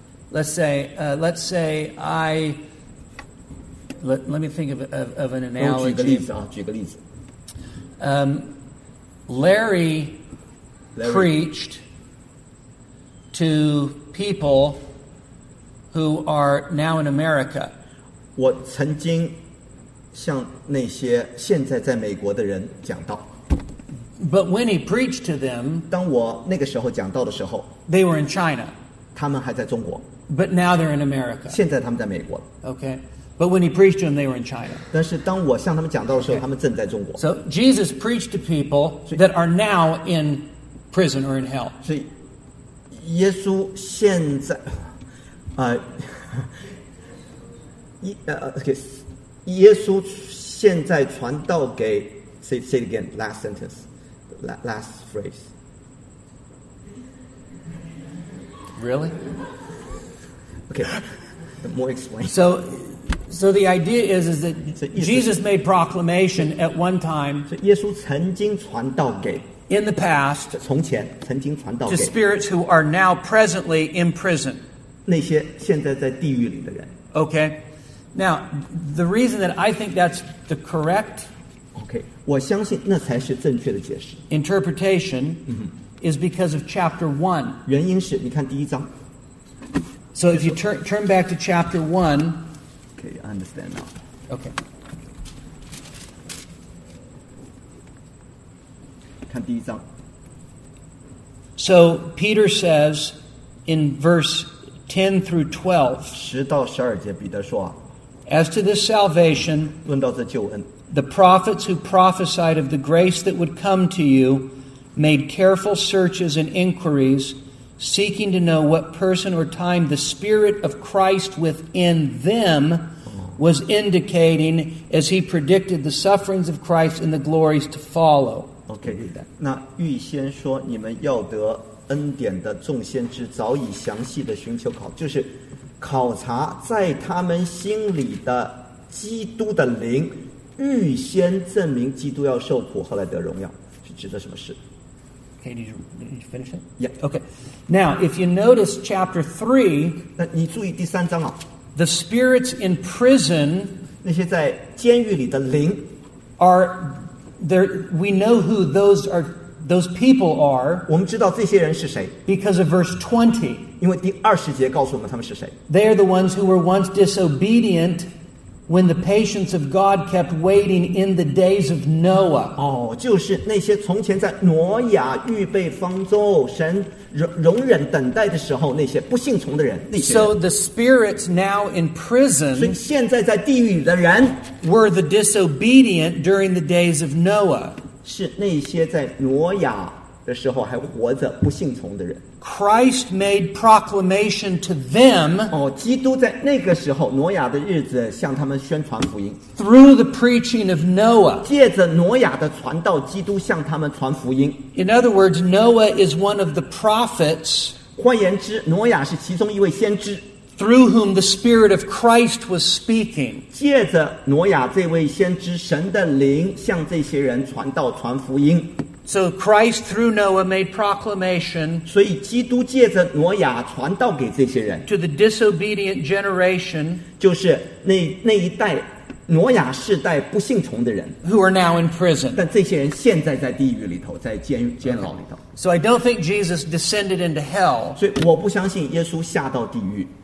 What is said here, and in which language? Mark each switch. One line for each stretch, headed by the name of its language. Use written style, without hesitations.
English: Let's say let me think of an analogy.
Chinese: 举个例子啊，举个例子。
English: Larry preached to people who are now in America.
Chinese: 我曾经向那些现在在美国的人讲道。
English: But when he preached to them,
Chinese: 当我那个时候讲道的时候,
English: they were in China.
Chinese: 他们还在中国。
English: But now they're in America.
Chinese: 现在他们在美国。
English: Okay. But when he preached to them, they were in China.
Chinese: 但是当我向他们讲道的时候, okay. 他们正在中国。
English: So Jesus preached to people that are now in prison or in hell.
Chinese: 所以耶稣现在耶稣现在传道给
English: say it again, last sentence, last phrase. Really? Okay, more explain. So the idea is that Jesus made proclamation at one time,
Chinese: 耶稣曾经传道给,
English: in the past,
Chinese: 从前曾经传道给,
English: to spirits who are now presently in prison.
Chinese: 那些现在在地狱里的人。
English: Okay. Now, the reason that I think that's the correct,
Chinese: okay, 我相信那才是正确的解释,
English: interpretation, mm-hmm. is because of chapter 1.
Chinese: 原因是你看第一章。
English: So if you turn back to chapter 1. Okay, I understand now. Okay.
Chinese: 看第一章。
English: So Peter says in verse 10 through 12.
Chinese: 十到十二节彼得说啊。
English: As to this salvation,
Chinese: 论到这救恩,
English: the prophets who prophesied of the grace that would come to you made careful searches and inquiries, seeking to know what person or time the Spirit of Christ within them was indicating as he predicted the sufferings of Christ and the glories to follow.
Chinese: Okay, 那预先说你们要得恩典的众先知早已详细的寻求考，就是考察在他们心里的基督的灵预先证明基督要受苦，后来得荣耀，是指的什么事？
English: Okay, did you finish it? Yeah. Okay. Now, if you notice chapter 3,
Chinese: 那你注意第三章啊。
English: The spirits in prison,
Chinese: 那些在监狱里的灵
English: are there, we know who those people are.
Chinese: 我们知道这些人是谁。
English: Because of verse 20.
Chinese: 因为第二十节告诉我们他们是谁。
English: They are the ones who were once disobedient when the patience of God kept waiting in the days of Noah.
Chinese: 哦，就是那些从前在挪亚预备方舟，神容忍等待的时候，那些不信从的人，那些人。
English: So the spirits now in prison,
Chinese: 所以现在在地狱的人,
English: were the disobedient during the days of Noah.
Chinese: 是那些在挪亚的时候还活着不信从的人。
English: Christ made proclamation to them.
Chinese: 哦，基督在那个时候，挪亚的日子，向他们宣传福音。
English: Through the preaching of Noah,
Chinese: 借着挪亚的传道，基督向他们传福音。
English: In other words, Noah is one of the prophets.
Chinese: 换言之，挪亚是其中一位先知。
English: Through whom the Spirit of Christ was speaking.
Chinese: 借着挪亚这位先知，神的灵向这些人传道传福音。
English: So Christ through Noah made proclamation.
Chinese: 所以基督借着挪亚传道给这些人。
English: To the disobedient generation.
Chinese: 就是那一代挪亚世代不信从的人。
English: Who are now in prison.
Chinese: 但这些人现在在地狱里头，在监牢里头。
English: So I don't think Jesus descended into hell.
Chinese: 所以我不相信耶稣下到地狱。